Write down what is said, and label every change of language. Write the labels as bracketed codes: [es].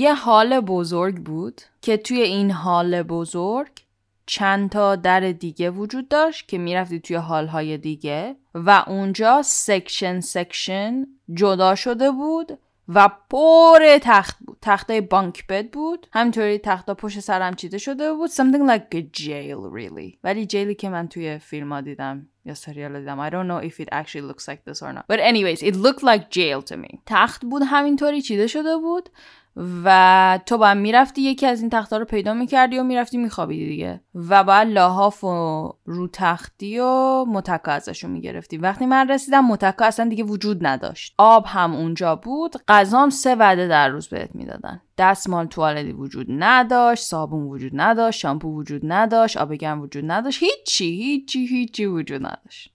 [fa] یه حال بزرگ بود که توی این حال بزرگ چند تا در دیگه وجود داشت که میرفتی توی حال‌های دیگه و اونجا سکشن جدا شده بود و پر تخت بود. تخته بانک بد بود. همینطوری تخت ها پشت سر هم چیده شده بود. [en] Something like a jail really. [fa] ولی جیلی که من توی فیلم ها دیدم یا سریال دیدم. [en] I don't know if it actually looks like this or not. But anyways, it looked like jail to me. [fa] تخت بود همینطوری چیده شده بود و تو باید میرفتی یکی از این تخت ها رو پیدا میکردی و میرفتی میخوابیدی دیگه و باید لاحاف و رو تختی و متکا ازشو میگرفتی. وقتی من رسیدم متکا اصلا دیگه وجود نداشت، آب هم اونجا بود، غذا هم سه وعده در روز بهت میدادن، دستمال توالتی وجود نداشت، صابون وجود نداشت، شامپو وجود نداشت، آب گرم وجود نداشت، هیچی وجود نداشت.